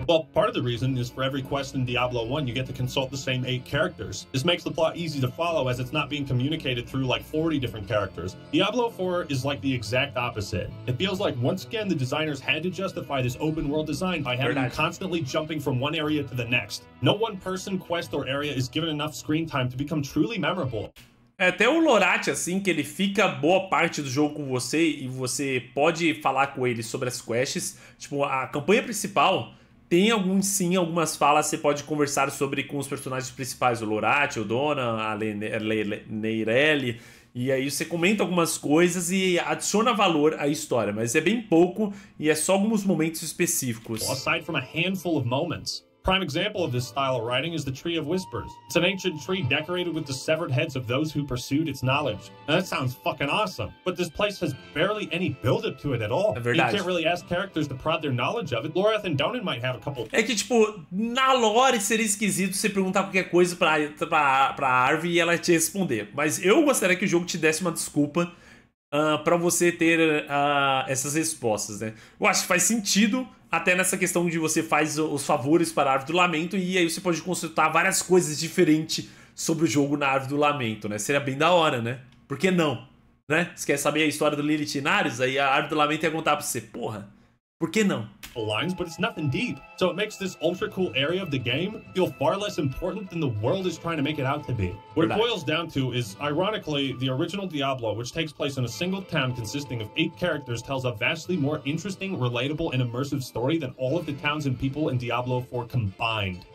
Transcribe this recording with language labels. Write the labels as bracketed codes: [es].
[en] Well, part of the reason is for every quest in Diablo 1, you get to consult the same 8 characters. This makes the plot easy to follow as it's not being communicated through like 40 different characters. Diablo 4 is like the exact opposite. It feels like once again the designers had to justify this open world design by having you constantly jumping from one area to the next. No one person, quest, or area is given enough screen time to become truly memorable. [pt] É até o Lorati, assim, que ele fica boa parte do jogo com você e você pode falar com ele sobre as quests. Tipo, a campanha principal Tem alguns, sim, algumas falas que você pode conversar sobre com os personagens principais, o Lorat, o Dona, a Neirelle. E aí você comenta algumas coisas e adiciona valor à história, mas é bem pouco e é só alguns momentos específicos. [en] Aside from a handful of moments. Prime example of this style of writing is the Tree of Whispers. It's an ancient tree decorated with the severed heads of those who pursued its knowledge. Now that sounds fucking awesome, but this place has barely any build-up to it at all. [pt] É verdade. [en] You can't really ask characters to prod their knowledge of it. Lorath and Donan might have a couple... [pt] É que, tipo, na lore seria esquisito você perguntar qualquer coisa pra Arvi e ela te responder. Mas eu gostaria que o jogo te desse uma desculpa pra você ter essas respostas, né? Eu acho que faz sentido... Até nessa questão de você faz os favores para a Árvore do Lamento e aí você pode consultar várias coisas diferentes sobre o jogo na Árvore do Lamento, né? Seria bem da hora, né? Por que não? Né? Você quer saber a história do Lilith e Inaris? Aí a Árvore do Lamento ia contar pra você. Porra, por que não? [en] Lines, but it's nothing deep. So it makes this ultra cool area of the game feel far less important than the world is trying to make it out to be. What it boils down to is, ironically, the original Diablo, which takes place in a single town consisting of 8 characters, tells a vastly more interesting, relatable, and immersive story than all of the towns and people in Diablo 4 combined.